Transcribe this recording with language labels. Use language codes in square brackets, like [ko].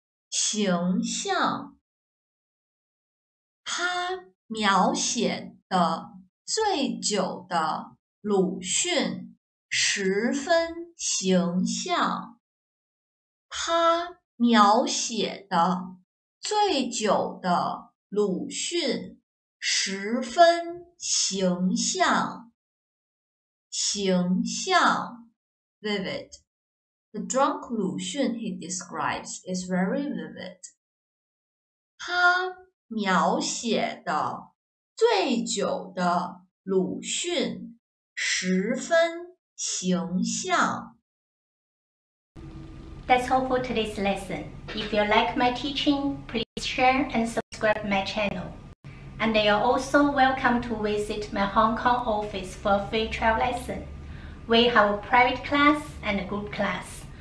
[zh] 形象，他描写的醉酒的鲁迅十分形象。他描写的醉酒的鲁迅十分形象。形象 [en] ，vivid。 The drunk Lu Xun he describes is very vivid. [zh] 他描写的醉酒的鲁迅十分形象。 [en] That's all for today's lesson. If you like my teaching, please share and subscribe my channel. And you're also welcome to visit my Hong Kong office for a free trial lesson. We have a private class and a group class.